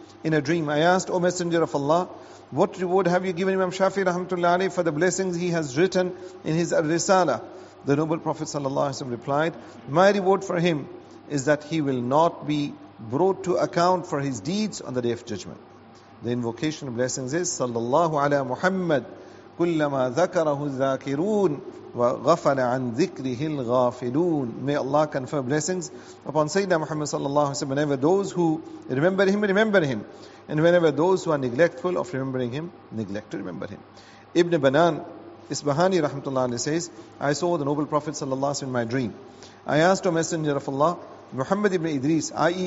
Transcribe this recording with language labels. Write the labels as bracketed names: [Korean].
[English] In a dream I asked, O Messenger of Allah, what reward have you given Imam Shafi'i rahmatullah alayhi for the blessings he has written in his al-Risala? The noble Prophet sallallahu alayhi wa sallam replied, my reward for him is that he will not be brought to account for his deeds on the day of judgment. The invocation of blessings is, sallallahu ala Muhammad [Arabic] كلما ذكره الذاكرون وغفل عن ذكره الغافلون. [English] May Allah confer blessings upon Sayyidina Muhammad sallallahu alayhi wa sallam. Whenever those who remember him, and whenever those who are neglectful of remembering him, neglect to remember him. Ibn Banan Isbahani rahmatullah alayhi says, I saw the noble Prophet sallallahu alayhi wa sallam in my dream. I asked a messenger of Allah, Muhammad ibn Idris, i.e.